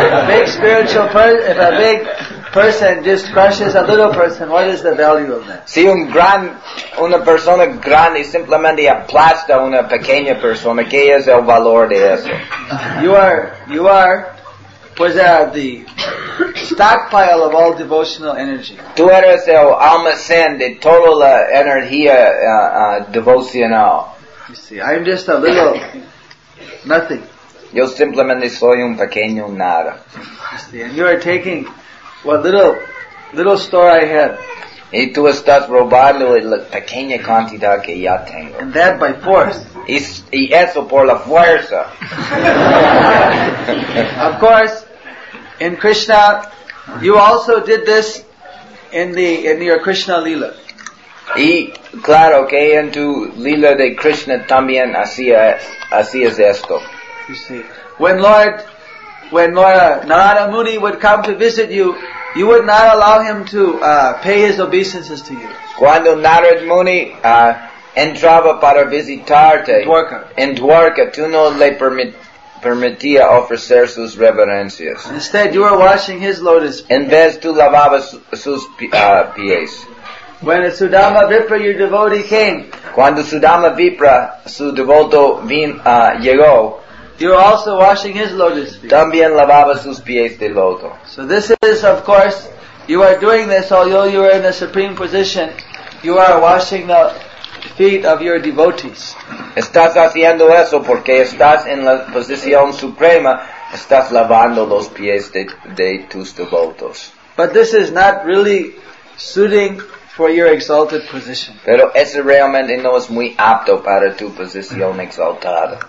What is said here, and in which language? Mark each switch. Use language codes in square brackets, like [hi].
[en] If a big person just crushes a little person, what is the value of that? [es] Si una persona grande simplemente aplasta una pequeña persona, ¿qué es el valor de eso? [en] You are the stockpile of all devotional energy. [es] Tú eres el almacén de toda la energía devocional. [en] You see, I'm just a little nothing. [es] Yo simplemente soy un pequeño nada. [en] You see, and you are taking what little store I had. [es] Y tú estás robando la pequeña cantidad que ya tengo. [en] And that by force. [es] Y eso por la fuerza. [en] Of course, in Krishna, you also did this in your Krishna Lila. [es] Y claro que en tu Lila de Krishna también hacías esto. [en] You see, when Lord Narada Muni would come to visit you, you would not allow him to pay his obeisances to you. [es] Cuando Narada Muni entraba para visitarte en Dwarka, tú no le permitía ofrecer sus reverencias. [en] Instead, you were washing his lotus feet. [es] En vez tú lavabas sus pies. [en] When Sudama Vipra, your devotee, came. [es] Cuando Sudama Vipra, su devoto, llegó. [en] You are also washing his lotus feet. [es] También lavaba sus pies de loto. [en] So this is, of course, you are doing this, although you are in a supreme position, you are washing the feet of your devotees. [es] Estás haciendo eso porque estás en la posición suprema, estás lavando los pies de tus devotos. [en] But this is not really suiting for your exalted position. [es] Pero eso realmente no es muy apto para tu posición exaltada.